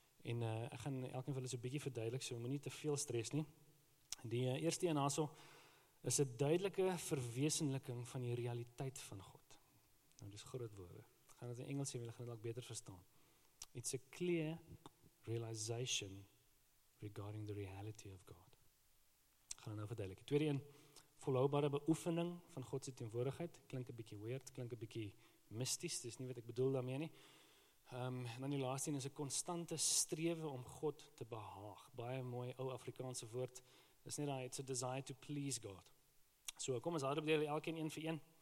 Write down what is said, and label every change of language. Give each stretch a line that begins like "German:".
Afrikaans: En ek gaan elk en vir hulle so bietjie verduidelik, so moet nie te veel stres nie. Die eerste en aso is 'n duidelike verweesenliking van die realiteit van God. Nou, dis groot woorde. Gaan dit in Engels sê, jy gaan dit ook beter verstaan.
English: It's a clear realization regarding the reality of God.
Afrikaans: Gaan dit nou verduidelik. Tweede een, volhoubare beoefening van God se teenwoordigheid. Klink 'n bietjie weird, klink 'n bietjie misties, dis nie wat ek bedoel daarmee nie. En dan die laaste een is 'n konstante strewe om God te behaag. Baie mooi ou Afrikaanse woord. Dis net daai,
English: it's a desire to please God.
Afrikaans: So, kom ons hardop deel, elkeen een vir een.